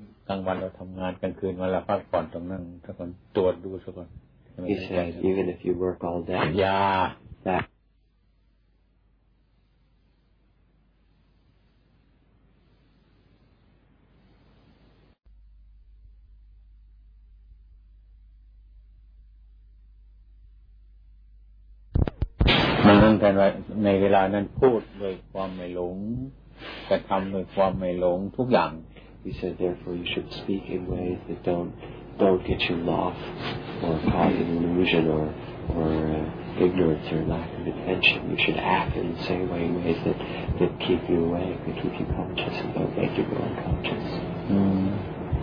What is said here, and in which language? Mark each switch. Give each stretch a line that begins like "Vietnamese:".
Thai: กลางวันเราทำงานกลางคืนเวลาพักผ่อนตรงนั้นทุกคนตรวจดูทุกคน
English: He said even if you work all day Yeah that
Thai: มันตั้งแต่ในเวลานั้นพูดด้วยความไม่หลงกระทำด้วยความไม่หลงทุกอย่าง
English: He said, therefore, you should speak in ways that don't get you off or cause an illusion or ignorance or lack of attention. You should act in the same way in ways that keep you awake, that keep you conscious and don't make you go unconscious.